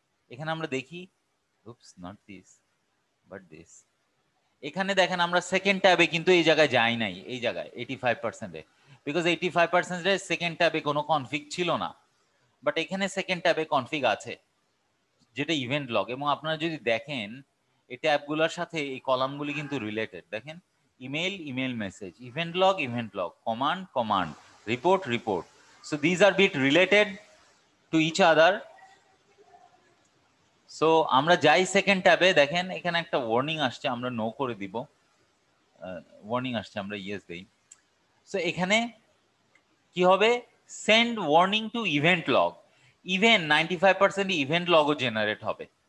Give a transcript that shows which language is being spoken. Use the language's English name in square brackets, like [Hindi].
[Bangla] এখানে আমরা দেখি, [English] oops, not this but this, [Bangla] এখানে দেখেন আমরা সেকেন্ড ট্যাবে কিন্তু এই জায়গায় যাই নাই, এই জায়গায় 85%, বিকজ 85% সেকেন্ড ট্যাবে কোনো কনফিগ ছিল না, বাট এখানে সেকেন্ড ট্যাবে কনফিগ আছে যেটা ইভেন্ট লক। এবং আপনারা যদি দেখেন এই ট্যাবগুলোর সাথে এই কলামগুলি কিন্তু রিলেটেড, দেখেন [English] email, email message, event log, event log, command, command, report, report. So these are bit related to each other. [Bangla] So আমরা যাই সেকেন্ড ট্যাবে, দেখেন এখানে একটা ওয়ার্নিং আসছে, আমরা নো করে দিব, ওয়ার্নিং আসছে আমরা ইয়েস দেই। সো এখানে কি হবে, [English] send warning to event log, [Bangla] even 95% event লগও generate হবে।